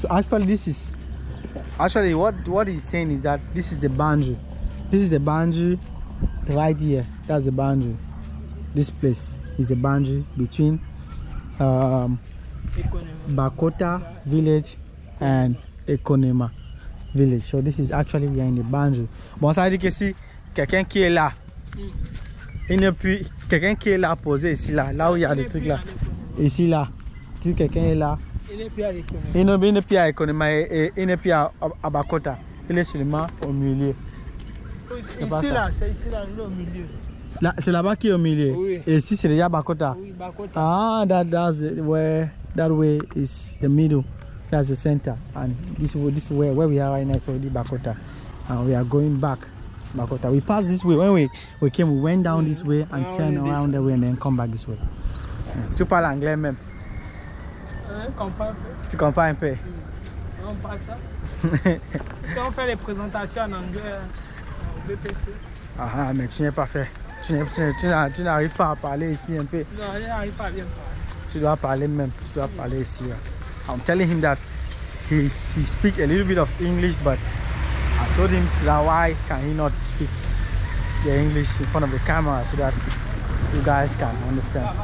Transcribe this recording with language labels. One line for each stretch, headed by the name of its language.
English: So actually, this is actually what he's saying is that this is the boundary. This is the boundary right here. That's the boundary. This place is a boundary between Bakota village and Ekonema village. So this is actually we are in the boundary.
French: Bon, ça veut dire que si quelqu'un qui est là, il n'est plus quelqu'un qui est là posé ici là, là où il y a des trucs là, ici là, si quelqu'un est là, il n'est plus à Ekonema et il n'est plus à Bakota. Il est seulement au milieu. C'est ici là, il est au milieu. Là, c'est là-bas qui est au milieu. Oui. Et ici c'est déjà Bakota. Oui, Bakota.
English: Ah, that way is the middle. That's the center. And this is where we are right now, so the Bakota. And we are going back Bakota. We passed this way. When we came, we went down this way and turned around that way and then come back this way.
French: Tu parles anglais même? Tu comprends un peu? On parle ça. Quand on fait les présentations en anglais au BPC. Ah, mais tu n'es pas fait. Tu n'arrives pas à parler ici un peu. Non, je n'arrive pas à bien parler. Tu dois parler même. Tu dois parler ici. Là.
English: I'm telling him that he speaks a little bit of English, but I told him that why can he not speak the English in front of the camera so that you guys can understand.